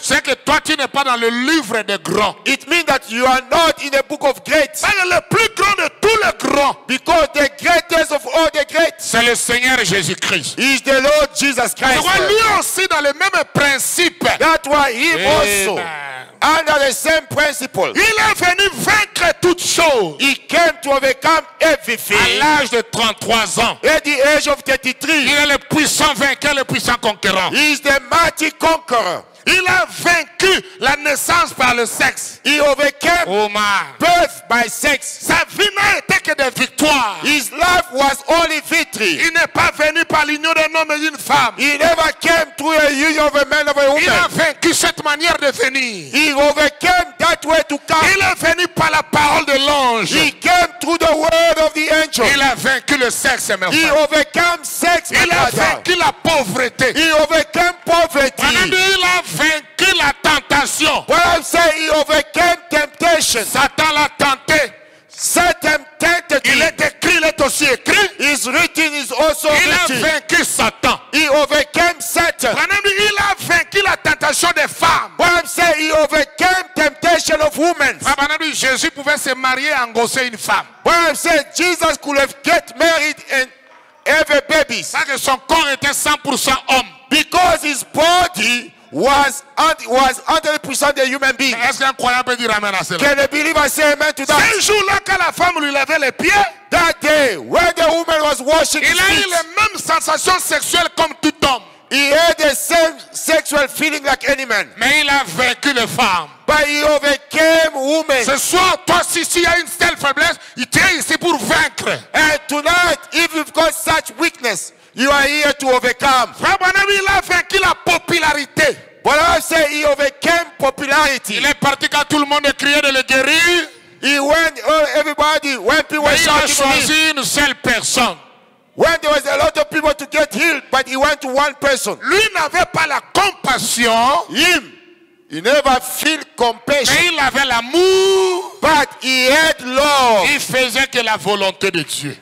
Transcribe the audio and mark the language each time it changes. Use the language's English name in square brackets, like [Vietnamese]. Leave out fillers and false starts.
[French] C'est que toi, tu n'es pas dans le livre des grands. [English] It means that you are not in the book of greats. [French] Le plus grand de tous les grand. [English] Because the greatest of all the great. [French] C'est le Seigneur Jésus Christ. [English] Is the Lord Jesus Christ. [French] Mais lui aussi dans le même principe. [English] That was him also. Under the same principle. [French] Il est venu vaincre toutes choses. [English] He came to overcome everything. [French] À l'âge de 33 ans. [English] At the age of 33. [French] Il est le puissant vainqueur, le puissant conquérant. [English] He is the mighty conqueror. [French] Il a vaincu la naissance par le sexe. [English] He overcame birth by sex. [French] Sa vie n'a été que des victoires. [English] His life was only victory. [French] Il n'est pas venu par l'union d'un homme et d'une femme. [English] He never came through a union of a man and a woman. [French] Il a vaincu cette manière de venir. [English] He overcame that way to come. [French] Il est venu par la parole de l'ange. [English] He came through the word of the angel. [French] Il a vaincu le sexe, mes frères. [English] He overcame sex. [French] Il a vaincu la pauvreté. [English] He overcame poverty. [French] Vaincu la tentation. [English] What I'm saying, he overcame temptation. [French] Satan l'a tenté. [English] Satan tempted [French] him. Il est écrit, il est aussi écrit. [English] His written is also written. [French] Il a vaincu Satan. [English] He overcame Satan. [French] Prenez-moi, il a vaincu la tentation des femmes. [English] What I'm saying, he overcame temptation of women. [French] Prenez-moi, Jésus pouvait se marier et engrosser une femme. [English] What I'm saying, Jesus could have get married and have a baby. [French] Parce que son corps était 100% homme. [English] Because his body was 100% a human being. [French] Est-ce qu'un croyant peut dire amen à cela? [English] Can a believer say amen to that? [French] Ce jour-là, quand la femme lui lavait les pieds, [English] that day when the woman was washing his feet, [French] il a eu les mêmes sensations sexuelles comme tout homme. [English] He had the same sexual feeling like any man. [French] Mais il a vaincu les femmes. [English] But he overcame women. [French] Ce soir, toi, si tu as une telle faiblesse, il t'est ici pour vaincre. [English] And tonight, if you've got such weakness, you are here to overcome. [French] Frère Bonhomme, il a vaincu la popularité. [English] But I say he overcame popularity. [French] Il est parti quand tout le monde criait de le guérir. [English] He went, everybody, when people were shouting for him. [French] Mais il a choisi une seule personne. [English] When there was a lot of people to get healed, but he went to one person. [French] Lui n'avait pas la compassion. [English] Him. He never felt compassion. [French] Mais il avait l'amour. [English] But he had love. [French] Il faisait que la volonté de Dieu.